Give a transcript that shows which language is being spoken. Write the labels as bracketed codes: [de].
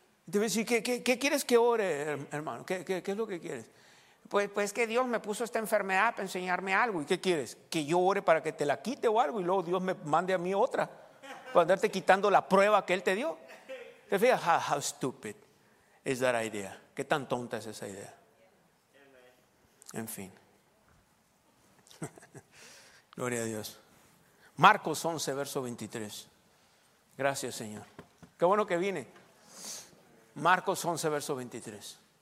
[es] Te voy a decir: ¿qué quieres que ore, hermano? ¿Qué es lo que quieres? Pues que Dios me puso esta enfermedad para enseñarme algo. ¿Y qué quieres? ¿Que yo ore para que te la quite o algo y luego Dios me mande a mí otra para andarte quitando la prueba que Él te dio? Te fijas, [en] how stupid is that idea? [es] ¿Qué tan tonta es esa idea? En fin. Gloria a Dios. Marcos 11, verso 23. Gracias, Señor. Qué bueno que vine. Marcos 11, verso 23.